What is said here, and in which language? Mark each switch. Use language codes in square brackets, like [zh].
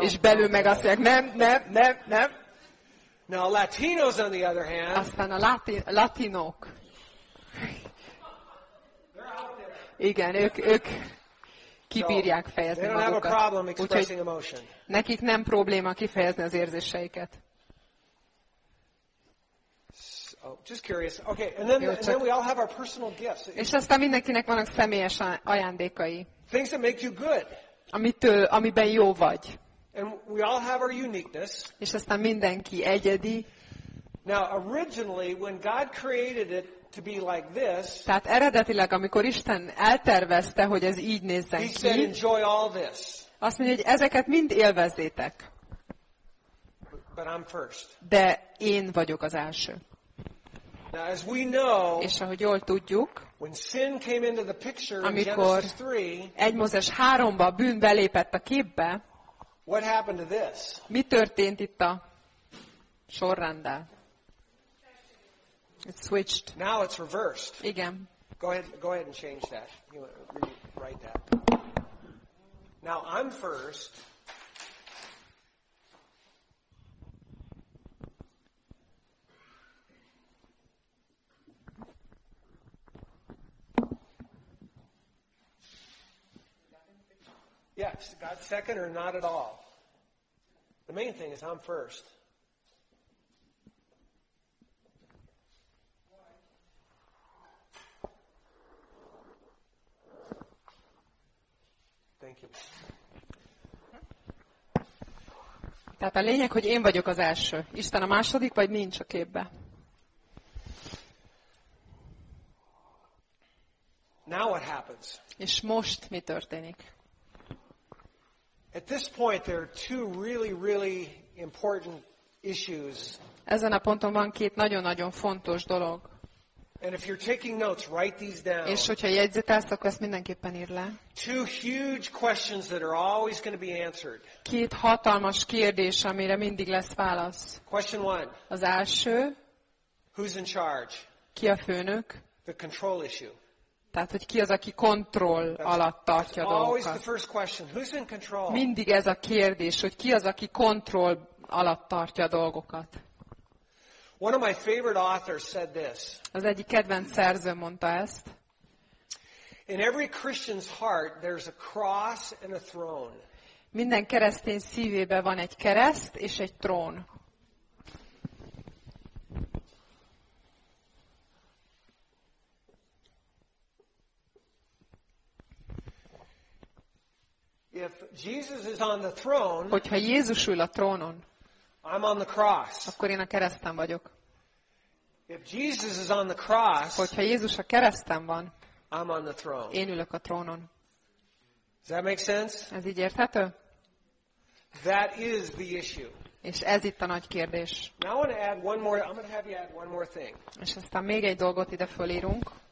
[hu] és belül meg azt mondják, nem. [en] Now Latinos on the other hand. [hu] Aztán a latinok. Igen, ők kibírják fejezni magukat. Úgyhogy nekik nem probléma kifejezni az érzéseiket. [en] just curious. Okay, and then we all have our personal gifts. [hu] És aztán mindenkinek vannak személyes ajándékai. [en] Things that make you good. [hu] Amiben jó vagy. [en] And we all have our uniqueness. [hu] És aztán mindenki egyedi. [en] Now, originally, when God created it to be like this. [hu] Tehát eredetileg, amikor Isten eltervezte, hogy ez így nézzen ki. [en] He said, enjoy all this. [hu] Azt mondja, hogy ezeket mind élvezzétek. [en] But I'm first. [hu] De én vagyok az első. [en] Now, as we know, [hu] és ahogy jól tudjuk, [en] when sin came into the picture in Genesis [hu] 3, amikor 1 Mózes 3-ba bűn belépett a képbe, [en] what happened to this? [hu] Mi történt itt a sorrenddel? [en] It switched. Now it's reversed. [hu] Igen. [en] Go ahead and change that. You write that. Now I'm first. Yes, God second or not at all. The main thing is I'm first. Thank you. [hu] Tehát a lényeg, hogy én vagyok az első. Isten a második, vagy nincs a képbe? [en] Now what happens? [hu] És most mi történik? [en] At this point there are two really really important issues. [hu] Ezen a ponton van két nagyon-nagyon fontos dolog. [en] And if you're taking notes, write these down. [hu] És hogyha jegyzetelsz, akkor ezt mindenképpen írd le. [en] Two huge questions that are always going to be answered. [hu] Két hatalmas kérdés, amire mindig lesz válasz. [en] Question one. [hu] Az első. [en] Who's in charge? [hu] Ki a főnök? [en] The control issue. [hu] Tehát, hogy ki az, aki kontroll alatt tartja dolgokat. Mindig ez a kérdés, hogy ki az, aki kontroll alatt tartja dolgokat. [en] One of my favorite authors said this. [hu] Az egyik kedvenc szerző mondta ezt. [en] In every Christian's heart there's a cross and a throne. [hu] Minden keresztény szívében van egy kereszt és egy trón. [en] If Jesus is on the throne, [hu] hogyha Jézus ül a trónon, [en] I'm on the cross. [hu] Akkor én a kereszten vagyok. [en] If Jesus is on the cross, [hu] hogyha Jézus a kereszten van, [en] I'm on the throne. [hu] Én ülök a trónon. [en] Does that make sense? [hu] Ez így érthető? [en] That is the issue. [hu] És ez itt a nagy kérdés. [en] Now I want to add one more. I'm going to have you add one more thing. [hu] És aztán még egy dolgot ide fölírunk.